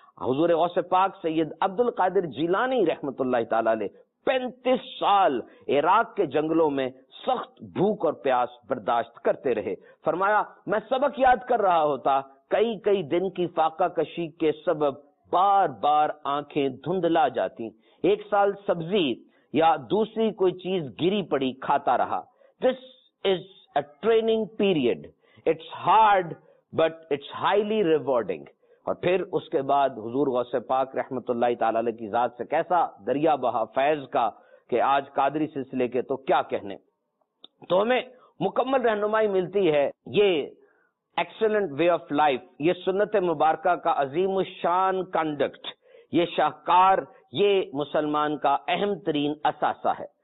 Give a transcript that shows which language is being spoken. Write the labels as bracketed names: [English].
[Urdu] حضور غوث پاک سید عبد القادر جیلانی رحمت اللہ تعالی علیہ 35 سال عراق کے جنگلوں میں سخت بھوک اور پیاس برداشت کرتے رہے. فرمایا میں سبق یاد کر رہا ہوتا, کئی کئی دن کی فاقہ کشی کے سبب بار بار آنکھیں دھندلا جاتی, ایک سال سبزی یا دوسری کوئی چیز گری پڑی کھاتا رہا. [English] This is a training period. It's hard but it's highly rewarding. [Urdu] اور پھر اس کے بعد حضور غوث پاک رحمت اللہ تعالی علیہ کی ذات سے کیسا دریا بہا فیض کا کہ آج قادری سلسلے کے تو کیا کہنے. تو ہمیں مکمل رہنمائی ملتی ہے یہ [English] excellent way of life, [Urdu] یہ سنت مبارکہ کا عظیم الشان کنڈکٹ, یہ شاہکار, یہ مسلمان کا اہم ترین اثاثہ ہے.